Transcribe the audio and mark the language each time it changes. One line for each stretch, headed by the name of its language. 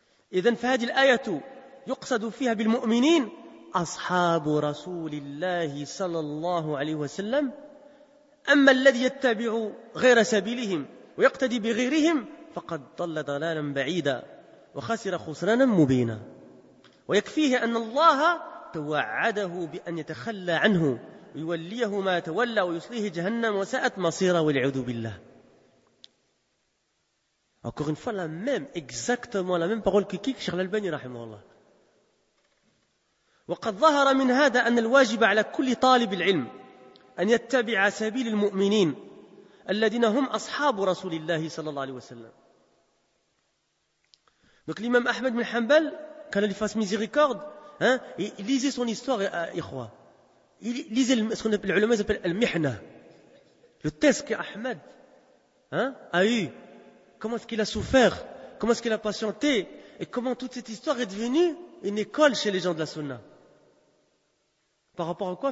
Arabic: Idhan fahadi l'ayatu yuqsadu fiha bil mu'minin ashabu rasulillahi sallallahu alayhi wa sallam amma alladhi yattabi'u ghayra sabilihim wa yaqtadi bi ghayrihim فقد ضل ضلالا بعيدا وخسر خسرانا مبينا ويكفيه أن الله توعده بأن يتخلى عنه ويوليه ما تولى ويصليه جهنم وساءت مصيرا والعوذ بالله.
French: Encore une fois, la même, exactement la même parole que Cheikh Al-Albani
Arabic: رحمه الله. وقد ظهر من هذا أن الواجب على كل طالب العلم أن يتبع سبيل المؤمنين الذين هم أصحاب رسول الله صلى الله عليه وسلم.
French: Donc l'imam Ahmed bin Hanbal, qu'Allah lui fasse miséricorde, hein, et lisez son histoire, ikhwa. Lisez ce qu'on appelle, l'ulama s'appelle al-mihna. Le test qu'Ahmed, hein, a eu. Comment est-ce qu'il a souffert? Comment est-ce qu'il a patienté? Et comment toute cette histoire est devenue une école chez les gens de la sunna? Par rapport à quoi?